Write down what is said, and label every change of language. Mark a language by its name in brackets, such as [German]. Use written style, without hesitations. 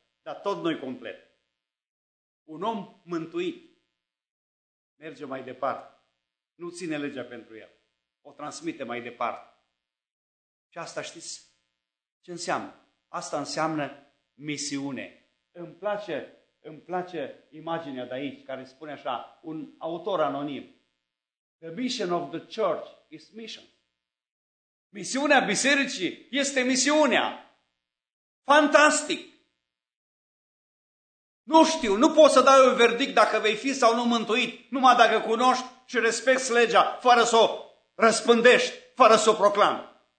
[Romanian] Dar tot noi complet. Un om mântuit merge mai departe. Nu ține legea pentru el. O transmite mai departe. Și asta știți ce înseamnă? Asta înseamnă misiune. Îmi place imaginea de aici, care spune așa, un autor anonim. [English] The mission of the church is mission. [Romanian] Misiunea bisericii este misiunea. Fantastic! Nu știu, nu pot să dai un verdict dacă vei fi sau nu mântuit, numai dacă cunoști și respecti legea, fără să o răspândești, fără să o proclami.